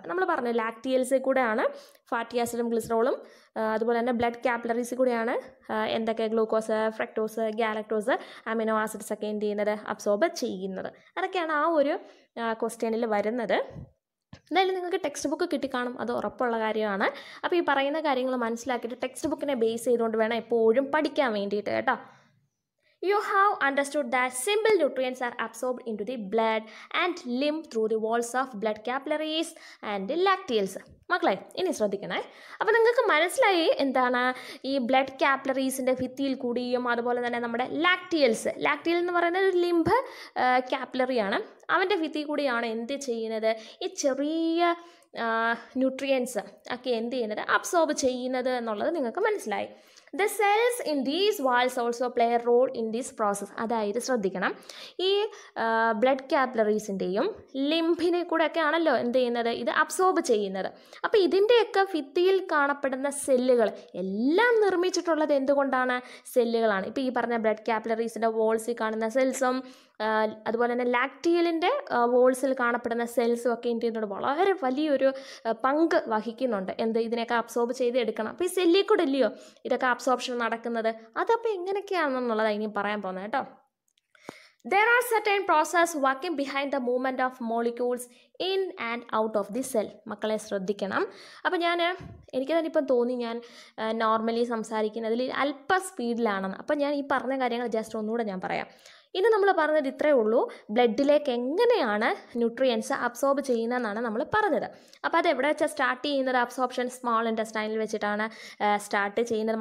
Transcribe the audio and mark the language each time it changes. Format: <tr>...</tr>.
<ml>നമ്മൾ പറഞ്ഞു ലാക്ടിയൽസിൽ കൂടെയാണ് ഫാറ്റി ആസിഡും ഗ്ലിസറോളും, അതുപോലെ തന്നെ ബ്ലഡ് കാപ്പിലറീസിൽ കൂടെയാണ് എന്തൊക്കെ glucose, fructose, galactose, amino acids ഒക്കെ എന്ത് ചെയ്യുന്നത്? അബ്സോർബ് ചെയ്യുന്നത്. അതൊക്കെയാണ് ആ ഒരു ക്വസ്റ്റ്യനിൽ വരുന്നത്. എന്തായാലും നിങ്ങൾക്ക് ടെക്സ്റ്റ് ബുക്ക് കിട്ടിക്കാണും, അത് ഉറപ്പുള്ള കാര്യമാണ്. അപ്പോൾ ഈ പറയുന്ന കാര്യങ്ങൾ മനസ്സിലാക്കിയിട്ട് ടെക്സ്റ്റ് ബുക്കിനെ ബേസ് ചെയ്തുകൊണ്ട് വേണം എപ്പോഴും പഠിക്കാൻ വേണ്ടിയിട്ട് കേട്ടോ.</ml> <en>You have understood that simple nutrients are absorbed into the blood and lymph through the walls of blood capillaries and the lacteals.</en> <ml>മക്കളെ ഇനി ശ്രദ്ധിക്കണേ. അപ്പോൾ നിങ്ങൾക്ക് മനസ്സിലായി എന്താണ് ഈ ബ്ലഡ് കാപ്പിലറീസിൻ്റെ ഭിത്തിയിൽ കൂടിയും അതുപോലെ തന്നെ നമ്മുടെ ലാക്ടിയൽസ്, ലാക്ടിയൽ എന്ന് പറയുന്നത് ഒരു ലിംഫ് കാപ്പിലറിയാണ്, അവൻ്റെ ഭിത്തിയിൽ കൂടിയാണ് എന്ത് ചെയ്യുന്നത്, ഈ ചെറിയ ന്യൂട്രിയൻസ് ഒക്കെ എന്ത് ചെയ്യുന്നത്, അബ്സോർബ് ചെയ്യുന്നത് എന്നുള്ളത് നിങ്ങൾക്ക് മനസ്സിലായി.</ml> <en>The cells in these walls also play role in these process.</en> <ml>അതായത് ശ്രദ്ധിക്കണം, ഈ ബ്ലഡ് കാപ്പിലറീസിൻ്റെയും ലിംഫിനെ കൂടെയൊക്കെ ആണല്ലോ എന്ത് ചെയ്യുന്നത്, ഇത് അബ്സോർബ് ചെയ്യുന്നത്. അപ്പോൾ ഇതിൻ്റെയൊക്കെ ഭിത്തിയിൽ കാണപ്പെടുന്ന സെല്ലുകൾ എല്ലാം നിർമ്മിച്ചിട്ടുള്ളത് എന്തുകൊണ്ടാണ്, സെല്ലുകളാണ്. ഇപ്പോൾ ഈ പറഞ്ഞ ബ്ലഡ് കാപ്പിലറീസിൻ്റെ വോൾസിൽ കാണുന്ന സെൽസും അതുപോലെ തന്നെ ലാക്ടിയലിൻ്റെ വോൾസിൽ കാണപ്പെടുന്ന സെൽസും ഒക്കെ എന്ത് ചെയ്യുന്നുണ്ട്, വളരെ വലിയൊരു പങ്ക് വഹിക്കുന്നുണ്ട്. എന്ത് ഇതിനെയൊക്കെ അബ്സോർബ് ചെയ്തെടുക്കണം. അപ്പോൾ ഈ സെല്ലിൽ കൂടെ ഇല്ലയോ ഇതൊക്കെ അബ്സോർപ്ഷൻ നടക്കുന്നത്, അതപ്പോൾ എങ്ങനെയൊക്കെയാണെന്നുള്ളത് ഇനി പറയാൻ പോകുന്നത് കേട്ടോ.</ml> <en>There are certain processes working behind the movement of molecules in and out of the cell.</en> <ml>മക്കളെ ശ്രദ്ധിക്കണം. അപ്പോൾ ഞാൻ എനിക്ക് തന്നെ ഇപ്പം തോന്നി ഞാൻ നോർമലി സംസാരിക്കുന്നതിൽ അല്പ സ്പീഡിലാണെന്ന്. അപ്പം ഞാൻ ഈ പറഞ്ഞ കാര്യങ്ങൾ ജസ്റ്റ് ഒന്നുകൂടെ ഞാൻ പറയാം. ഇന്ന് നമ്മൾ പറഞ്ഞത് ഇത്രയേ ഉള്ളൂ, ബ്ലഡിലേക്ക് എങ്ങനെയാണ് ന്യൂട്രിയൻസ് അബ്സോർബ് ചെയ്യുന്നതെന്നാണ് നമ്മൾ പറഞ്ഞത്. അപ്പോൾ അത് എവിടെ വെച്ചാൽ സ്റ്റാർട്ട് ചെയ്യുന്നത്, അബ്സോർപ്ഷൻ സ്മോൾ ഇൻ്റസ്റ്റൈനിൽ വെച്ചിട്ടാണ് സ്റ്റാർട്ട് ചെയ്യുന്നത്.</ml>